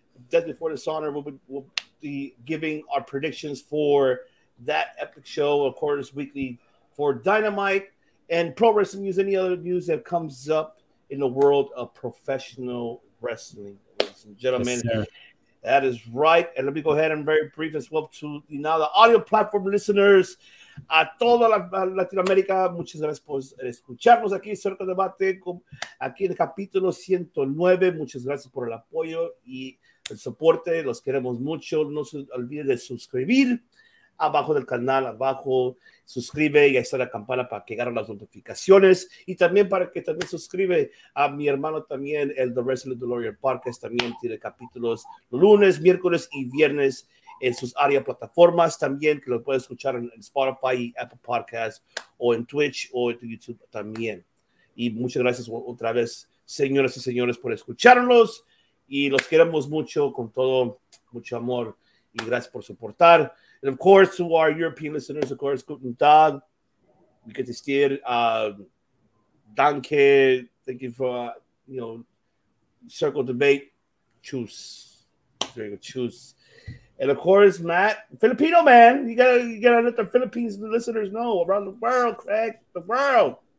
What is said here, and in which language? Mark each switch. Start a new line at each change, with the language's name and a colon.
English: Death Before Dishonor, we'll be giving our predictions for that epic show, of course, weekly for Dynamite and pro wrestling news, any other news that comes up in the world of professional wrestling. Gentlemen, yes, that is right. And let me go ahead and very brief as well to now the audio platform listeners.
Spanish: A toda Latinoamérica, muchas gracias por escucharnos aquí cerca de debate, aquí en el capítulo 109. Muchas gracias por el apoyo y el soporte. Los queremos mucho. No se olvide de suscribir abajo del canal, abajo. Suscribe y ahí está la campana para que ganen las notificaciones. Y también para que también suscribe a mi hermano también, el The Wrestling DeLorean Podcast. También tiene capítulos lunes, miércoles y viernes en sus área plataformas. También que lo puede escuchar en Spotify y Apple Podcasts o en Twitch o en YouTube también. Y muchas gracias otra vez, señoras y señores, por escucharnos. Y los queremos mucho, con todo, mucho amor. Y gracias por soportar.
English: And of course, to our European listeners, of course, guten Tag, we get to steer, danke, thank you for, Circle Debate, choose, there you go, choose. And of course, Matt, Filipino man, you gotta let the Philippines listeners know around the world, Craig, the world.